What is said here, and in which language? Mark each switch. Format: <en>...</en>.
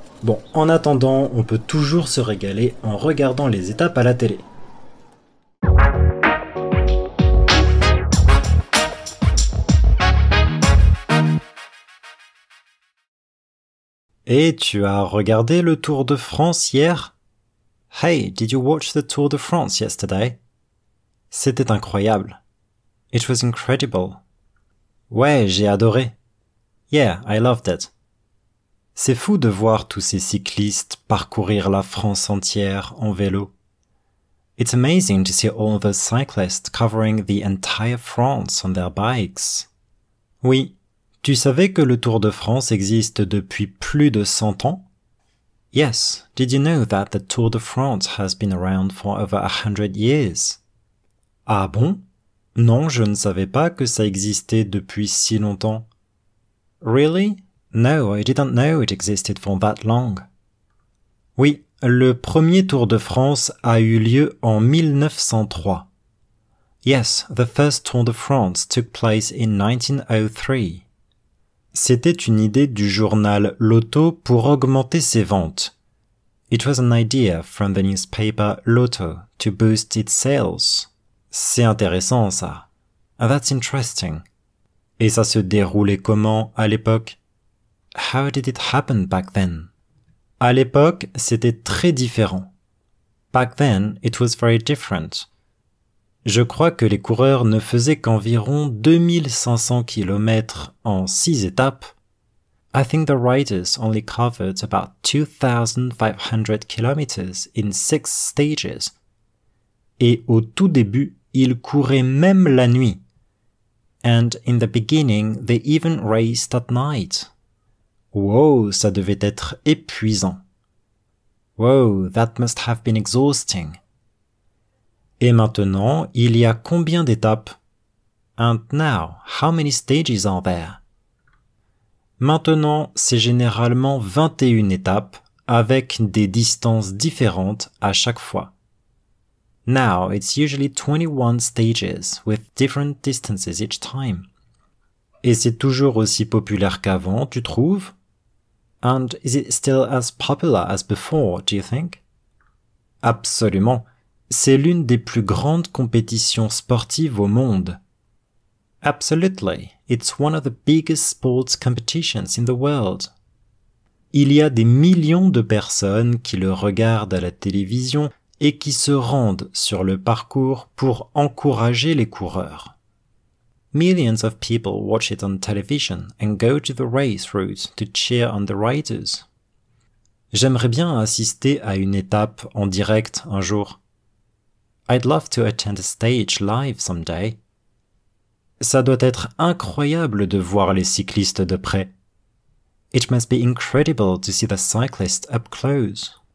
<fr>Bon, en attendant, on peut toujours se régaler en regardant les étapes à la télé. Et tu as regardé le Tour de France hier ?</fr> <en>Hey, did you watch the Tour de France yesterday ?</en> <fr>C'était incroyable.</fr> <en>It was incredible.</en> <fr>Ouais, j'ai adoré.</fr> <en>Yeah, I loved it.</en> <fr>C'est fou de voir tous ces cyclistes parcourir la France entière en vélo.</fr> <en>It's amazing to see all the cyclists covering the entire France on their bikes.</en> <fr>Oui, tu savais que le Tour de France existe depuis plus de 100 ans?</fr> <en>Yes, did you know that the Tour de France has been around for over 100 years?</en> <fr>Ah bon? Non, je ne savais pas que ça existait depuis si longtemps.</fr> <en>Really? No, I didn't know it existed for that long.</en> <fr>Oui, le premier Tour de France a eu lieu en 1903.</fr> <en>Yes, the first Tour de France took place in 1903.</en> <fr>C'était une idée du journal Lotto pour augmenter ses ventes.</fr> <en>It was an idea from the newspaper Lotto to boost its sales.</en> <fr>C'est intéressant, ça.</fr> <en>That's interesting.</en> <fr>Et ça se déroulait comment à l'époque?</fr> <en>How did it happen back then?</en> <fr>À l'époque, c'était très différent.</fr> <en>Back then, it was very different.</en> <fr>Je crois que les coureurs ne faisaient qu'environ 2500 km en 6 étapes.</fr> <en>I think the riders only covered about 2500 km in 6 stages.</en> <fr>Et au tout début, ils couraient même la nuit.</fr> <en>And in the beginning, they even raced at night.</en> <fr>Wow, ça devait être épuisant.</fr> <en>Wow, that must have been exhausting.</en> <fr>Et maintenant, il y a combien d'étapes?</fr> <en>And now, how many stages are there?</en> <fr>Maintenant, c'est généralement 21 étapes, avec des distances différentes à chaque fois.</fr> <en>Now, it's usually 21 stages, with different distances each time.</en> <fr>Et c'est toujours aussi populaire qu'avant, tu trouves?</fr> <en>And is it still as popular as before, do you think?</en> <fr>Absolument. C'est l'une des plus grandes compétitions sportives au monde.</fr> <en>Absolutely. It's one of the biggest sports competitions in the world.</en> <fr>Il y a des millions de personnes qui le regardent à la télévision et qui se rendent sur le parcours pour encourager les coureurs.</fr> <en>Millions of people watch it on television and go to the race route to cheer on the riders.</en> <fr>J'aimerais bien assister à une étape en direct un jour.</fr> <en>I'd love to attend a stage live someday.</en> <fr>Ça doit être incroyable de voir les cyclistes de près.</fr> <en>It must be incredible to see the cyclists up close.</en>